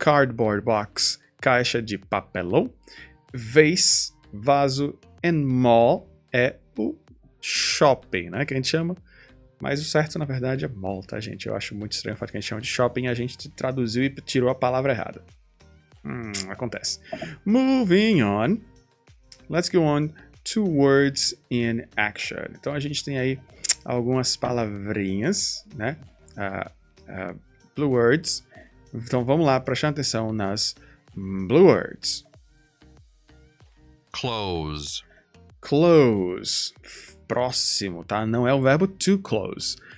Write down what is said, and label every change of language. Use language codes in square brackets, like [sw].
[pt] Cardboard box, caixa de papelão. Vase, vaso. And mall é o shopping, né? Que a gente chama. Mas o certo, na verdade, é mall, tá, gente? Eu acho muito estranho o fato que a gente chama de shopping e a gente traduziu e tirou a palavra errada. Acontece. [en] Moving on. Let's go on to words in action. [pt] Então a gente tem aí algumas palavrinhas, né? Blue words. Então vamos lá, prestar atenção nas blue words. [en] Close. [pt] Close. Próximo, tá? Não é o verbo to close.